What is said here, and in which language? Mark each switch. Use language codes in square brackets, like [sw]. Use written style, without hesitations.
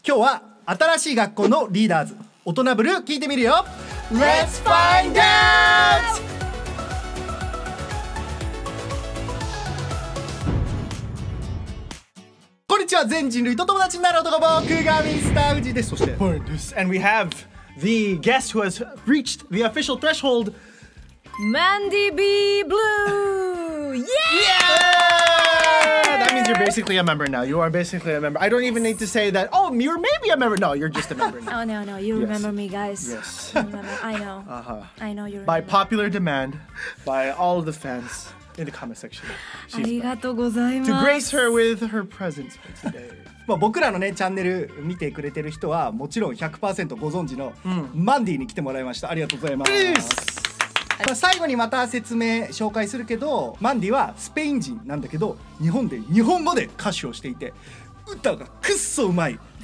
[ja] 今日は新しい学校のリーダーズ、オトナブルー聞いてみるよ。 [en] Let's find out。 [ja] こんにちは、全人類と友達になる男、僕がミスター藤です。そして、ポイントです。 [en] And we have the guest who has reached the official threshold。 Mandy B. Blue! Yeah! Yeah! That means you're basically a member now. You are basically a member. I don't even need to say that, oh, you're maybe a member. No, you're just a member now. Oh, no, no. You remember me, guys. Yes. Remember. I know. Uh-huh. I know you remember. By popular demand, by all of the fans in the comment section. She's [ja] ありがとうございます。 [en] To grace her with her presence for today. [ja] まあ僕らのねチャンネル見てくれてる人はもちろん 100% ご存知の Mandy に来てもらいました。ありがとうございます。 [en] Peace! [ja] まあ、最後にまた説明紹介するけど、マンディはスペイン人なんだけど日本で日本語で歌手をしていて、歌がくっそうまい。